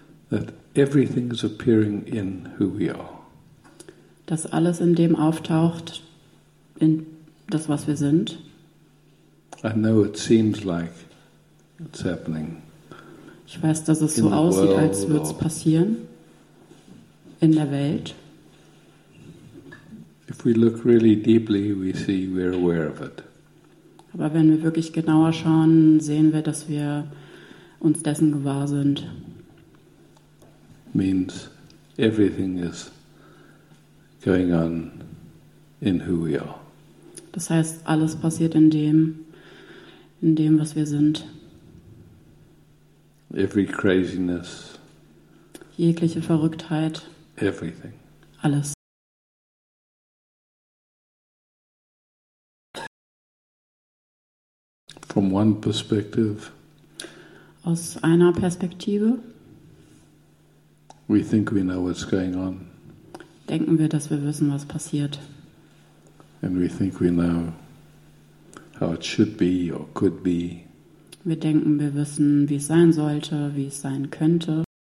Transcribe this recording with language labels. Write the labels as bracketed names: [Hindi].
[English] that everything is appearing in who we are, [German] dass alles in dem auftaucht, in das, was wir sind. [English] I know it seems like it's happening. [German] Ich weiß, dass es so aussieht, als würde es passieren in der Welt. [English] If we look really deeply, we see we're aware of it. [German] Aber wenn wir wirklich genauer schauen, sehen wir, dass wir uns dessen gewahr sind. [English] Means everything is going on in who we are. [German] Das heißt, alles passiert in dem, was wir sind. [English] Every craziness. [German] Jegliche Verrücktheit. [English] Everything. [German] Alles. [English] From one perspective, [German] aus einer Perspektive, [English] we think we know what's going on. [German] Denken wir, dass wir wissen, was passiert. [English] And we think we know how it should be or could be. [German] Wir denken, wir wissen, wie es sein sollte, wie es sein könnte.